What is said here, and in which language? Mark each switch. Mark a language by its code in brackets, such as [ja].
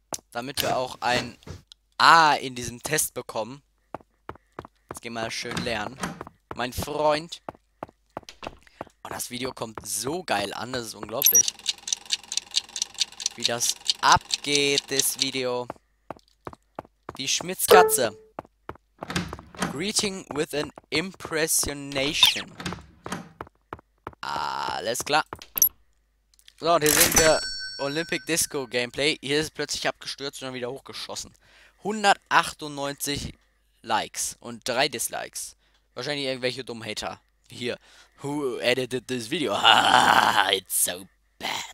[de] Damit wir auch ein A in diesem Test bekommen. Jetzt gehen wir mal schön lernen. Mein Freund. Und das Video kommt so geil an, das ist unglaublich. Wie das abgeht, das Video. Die Schmitz Katze. [en] Greeting with an Impressionation. [de] Alles klar. So, und hier sehen wir Olympic Disco Gameplay. Hier ist es plötzlich abgestürzt und dann wieder hochgeschossen. 198 Likes und 3 Dislikes. Wahrscheinlich irgendwelche dummen Hater. [en] Hier. Who edited this video? Ha, it's so bad.